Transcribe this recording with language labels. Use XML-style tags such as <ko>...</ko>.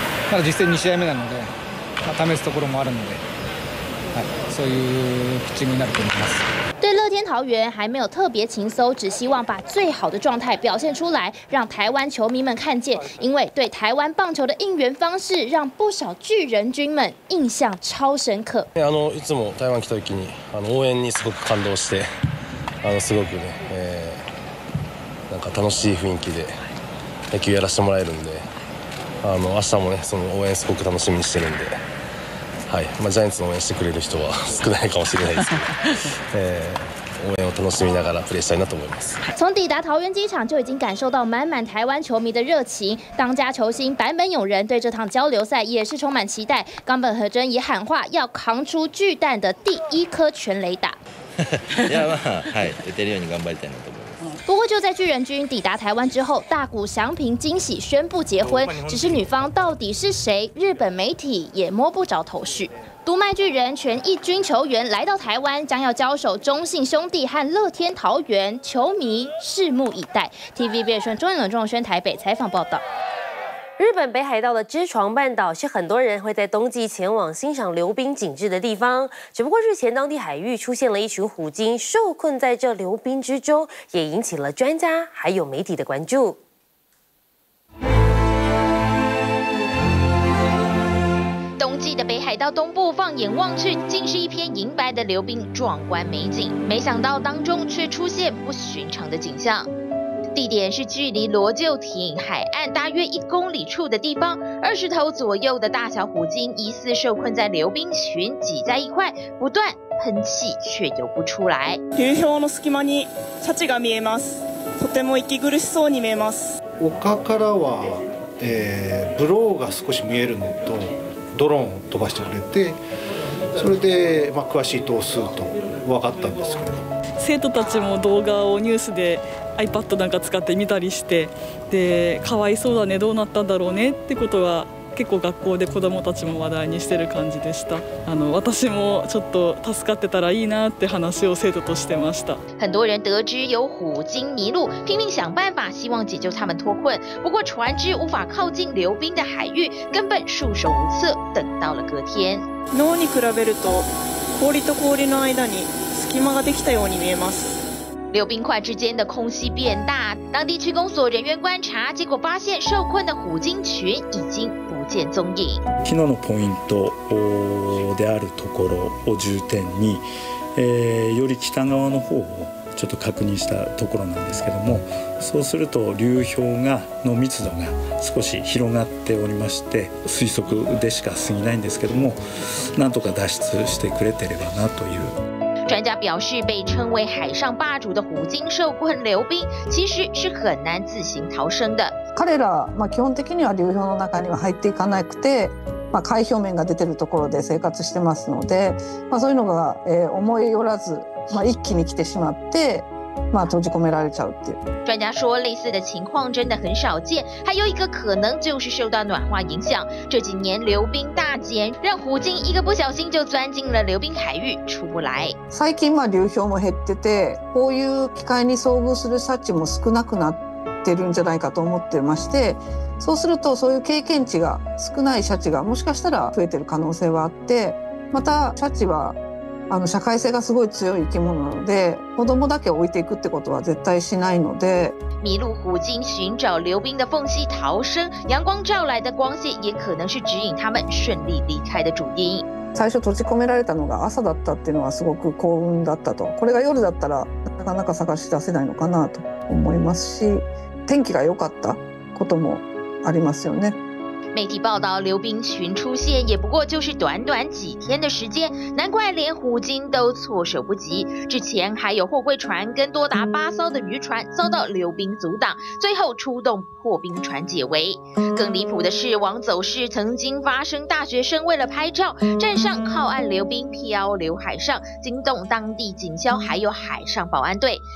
<ja>まだ実戦2試合目なので、試すところもあるので。</ja> <zh>所以</zh> <ja>ピッチングになると思います。</ja> <zh>对乐天桃园还没有特别勤搜，只希望把最好的状态表现出来，让台湾球迷们看见。因为对台湾棒球的应援方式，让不少巨人军们印象超深刻。</zh> <ja>いつも台湾来た時に応援にすごく感動して、すごくね、なんか楽しい雰囲気で野球やらせてもらえるんで、明日もねその応援すごく楽しみにしてるんで。はい、まあジャイアンツの応援してくれる人は少ないかもしれないですけど、応援を楽しみながらプレーしたいなと思います。</ja> <zh>从抵达桃园机场就已经感受到满满台湾球迷的热情，当家球星坂本勇人对这趟交流赛也是充满期待。冈本和真也喊话要扛出巨蛋的第一颗全垒打。</zh> <ja>いやまあはい、打てるように頑張りたいなと思います。</ja> <zh>不过就在巨人军抵达台湾之后，大谷翔平惊喜宣布结婚，只是女方到底是谁，日本媒体也摸不着头绪。独卖巨人全一军球员来到台湾，将要交手中信兄弟和乐天桃园，球迷拭目以待。 TVBS 中央广播宣台北采访报道。日本北海道的知床半岛是很多人会在冬季前往欣赏流冰景致的地方，只不过日前当地海域出现了一群虎鲸受困在这流冰之中，也引起了专家还有媒体的关注。冬季的北海道东部放眼望去，竟是一片银白的流冰，壮观美景，没想到当中却出现不寻常的景象。地点是距离罗臼町海岸大约1公里处的地方，20头左右的大小虎鲸疑似受困在流冰群，挤在一块，不断喷气却游不出来。</zh> <ja>流氷の隙間にシャチが見えます。とても息苦しそうに見えます。丘からは、ブローが少し見えるのとドローンを飛ばしてくれて、それで、まあ、詳しい頭数と分かったんですけど。生徒たちも動画をニュースで。iPad なんか使って見たりして、でかわいそうだね、どうなったんだろうねってことは結構学校で子どもたちも話題にしてる感じでした。私もちょっと助かってたらいいなって話を生徒としてました。</ja> <zh>很多人得知有虎鲸迷路，拼命想办法希望解救他们脱困，不过船只无法靠近流冰的海域，根本束手无策。等到了隔天，</zh> <ja>脳に比べると氷と氷の間に隙間ができたように見えます。</ja> <zh>流冰块之间的空隙变大，当地区公所人员观察，结果发现受困的虎鲸群已经不见踪影。</zh> <ja>昨日のポイントであるところを重点に、より北側の方をちょっと確認したところなんですけども、そうすると流氷がの密度が少し広がっておりまして、推測でしか過ぎないんですけども、なんとか脱出してくれてればなという。</ja> <zh>专家表示，被称为海上霸主的虎鲸受困流冰，其实是很难自行逃生的。</zh> <ja>彼ら、まあ基本的には流氷の中には入っていかなくて、まあ海表面が出てるところで生活してますので、まあそういうのが思いよらず、まあ一気に来てしまって。まあ、閉じ込められちゃうっていう。</ja> <zh>专家说，类似的情况真的很少见。还有一个可能就是受到暖化影响，这几年流冰大减，让虎鲸一个不小心就钻进了流冰海域出不来。</zh> <ja>最近まあ流氷も減ってて、こういう機会に遭遇するシャチも少なくなってるんじゃないかと思ってまして、そうするとそういう経験値が少ないシャチがもしかしたら増えてる可能性はあって、またシャチは。社会性がすごい強い生き物なので、子供だけ置いていくってことは絶対しないので。</ja> <zh>迷路虎鲸寻找流冰的缝隙逃生、阳光照来的光线也可能是指引他们顺利离开的主因。</zh> <ja>最初閉じ込められたのが朝だったっていうのはすごく幸運だったと。これが夜だったらなかなか探し出せないのかなと思いますし、天気が良かったこともありますよね。</ja> <zh>媒体报道流冰群出现也不过就是短短几天的时间，难怪连虎鲸都措手不及。之前还有货柜船跟多达八艘的渔船遭到流冰阻挡，最后出动破冰船解围。更离谱的是，王走市曾经发生大学生为了拍照站上靠岸流冰漂流海上，惊动当地警消还有海上保安队。</zh>